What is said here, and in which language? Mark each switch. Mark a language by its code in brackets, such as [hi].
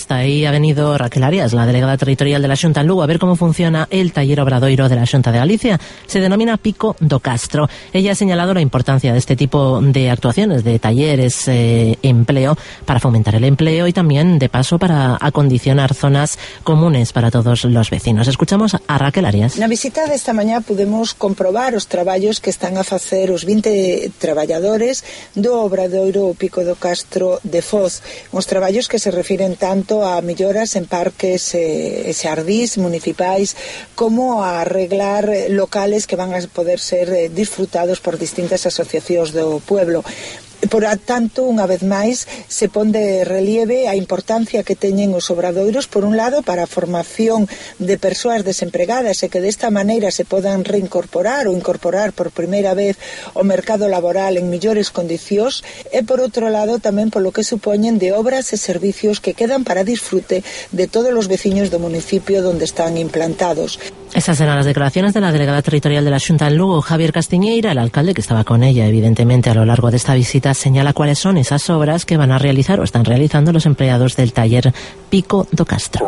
[es] Hasta ahí ha venido Raquel Arias, la delegada territorial de la Xunta en Lugo, a ver cómo funciona el taller obradoiro de la Xunta de Galicia. Se denomina Pico do Castro. Ella ha señalado la importancia de este tipo de actuaciones, de talleres, empleo, para fomentar el empleo y también, de paso, para acondicionar zonas comunes para todos los vecinos. Escuchamos a Raquel Arias. [gl] Na visita desta mañá podemos comprobar os traballos que están a facer os 20 traballadores do obradoiro Pico do Castro de Foz, os traballos que se refiren tanto a melloras en parques e xardís municipais como a arreglar locales que van a poder ser disfrutados por distintas asociacións do pueblo. Por tanto, unha vez máis, se pon de relieve a importancia que teñen os obradoiros, por un lado, para a formación de persoas desempregadas e que desta maneira se podan reincorporar ou incorporar por primeira vez o mercado laboral en mellores condicións, e por outro lado, tamén polo que supoñen de obras e servicios que quedan para disfrute de todos os veciños do municipio onde están implantados. [es] Esas eran las declaraciones de la delegada territorial de la Xunta en Lugo, Javier Castiñeira. El alcalde, que estaba con ella, evidentemente, a lo largo de esta visita, señala cuáles son esas obras que van a realizar o están realizando los empleados del taller Pico do Castro.